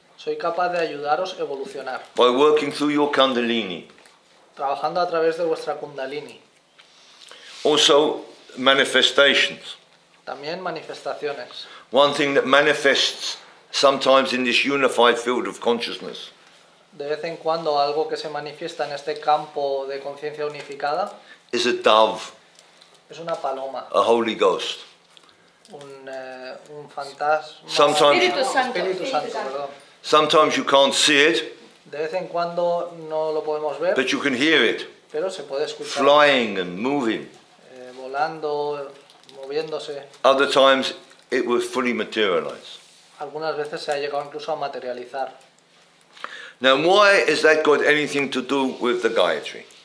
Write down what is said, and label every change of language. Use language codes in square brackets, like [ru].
[es] Soy capaz de ayudaros a evolucionar. [en] By working through your kundalini. [es] Trabajando a través de vuestra kundalini. [en] Also manifestations. [es] También manifestaciones. [en] One thing that manifests sometimes in this unified field of consciousness. [es] De vez en cuando algo que se manifiesta en este campo de conciencia unificada. [en] Is a dove. [es] Es una paloma. [en] A Holy Ghost. [es] Un fantasma. [en] Sometimes, [es] Espíritu Santo. Espíritu Santo, perdón. [en] Sometimes you can't see it. [es] De vez en cuando no lo podemos ver. [en] But you can hear it. [es] Pero se puede escuchar. [en] Flying and moving. [es] Volando, moviéndose. [en] Other times it will fully materialize. [es] Algunas veces se ha llegado incluso a materializar. [en] Now why has that got anything to do with the Gayatri?